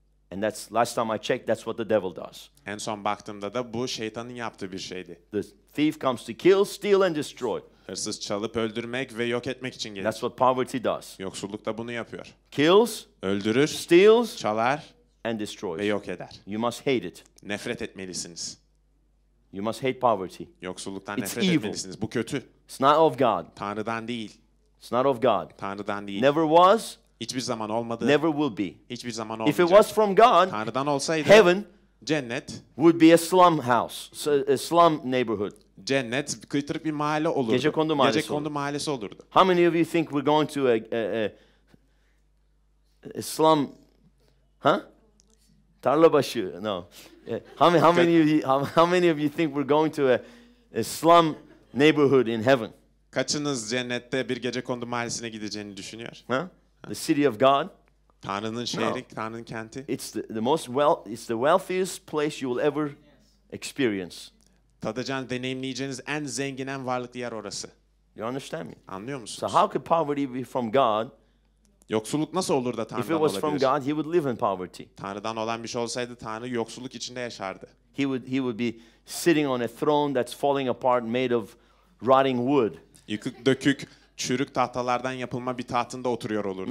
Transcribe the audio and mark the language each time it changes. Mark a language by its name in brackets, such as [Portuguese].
[English] And that's last time I checked, that's what the devil does. [Turkish] En son baktığımda da bu şeytanın yaptığı bir şeydi. [English] The thief comes to kill, steal and destroy. [Turkish] Hırsız çalıp öldürmek ve yok etmek için gelir. [English] That's what poverty does. [Turkish] Yoksulluk da bunu yapıyor. [English] Kills, [Turkish] öldürür. [English] Steals, [Turkish] çalar. [English] And destroys. [Turkish] Ve yok eder. [English] You must hate it. [Turkish] Nefret etmelisiniz. [English] You must hate poverty. [Turkish] Yoksulluktan nefret etmelisiniz. Bu kötü. [English] It's not of God. [Turkish] Tanrı'dan değil. [English] It's not of God. [Turkish] Tanrı'dan değil. [English] Never was. [Turkish] Hiçbir zaman olmadı. [English] Never will be. [Turkish] Hiçbir zaman olmayacak. [English] If it was from God, [Turkish] Tanrı'dan olsaydı, [English] heaven, [Turkish] cennet, [English] would be a slum house, a slum neighborhood. [Turkish] Cennet, kıtırık bir mahalle olurdu. Gecekondu mahallesi, Gecekondu mahallesi olurdu. [English] How many of you think we're going to a slum, huh? Tarlabaşı, no. How many of you think we're going to a slum neighborhood in heaven? [Turkish] Kaçınız cennette bir gecekondu mahallesine gideceğini düşünüyor? [English] Huh? The city of God. [Turkish] Tanrı'nın şehri, no. Tanrı'nın kenti. [English] It's the most it's the wealthiest place you will ever experience. [Turkish] Tadacağınız, deneyimleyeceğiniz en zengin, en varlıklı yer orası. [English] You understand me? [Turkish] Anlıyor musunuz? [English] So how could poverty be from God? [Turkish] Yoksulluk nasıl olur da Tanrı'dan olabilir? [English] If it was from God, he would live in poverty. [Turkish] Tanrı'dan olan bir şey olsaydı Tanrı yoksulluk içinde yaşardı. [English] He would be sitting on a throne that's falling apart made of rotting wood. [Turkish] Yıkık dökük çürük tahtalardan yapılma bir tahtında oturuyor olurdu.